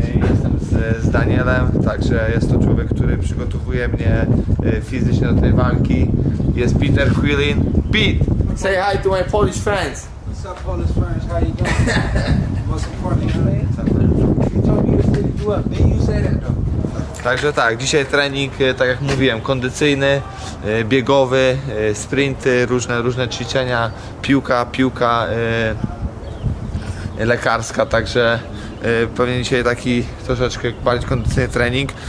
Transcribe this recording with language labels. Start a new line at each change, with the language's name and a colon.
Polish: Jestem z Danielem, także jest to człowiek, który przygotowuje mnie fizycznie do tej walki. Jest Peter Quillin. Pete!
English: Say hi to my Polish friends. What's up, Polish friends? How you doing? Most important, you told me to do up. Did you say that?
Polish: Także tak, dzisiaj trening, tak jak mówiłem, kondycyjny, biegowy, sprinty, różne ćwiczenia, piłka lekarska, także pewnie dzisiaj taki troszeczkę bardziej kondycyjny trening.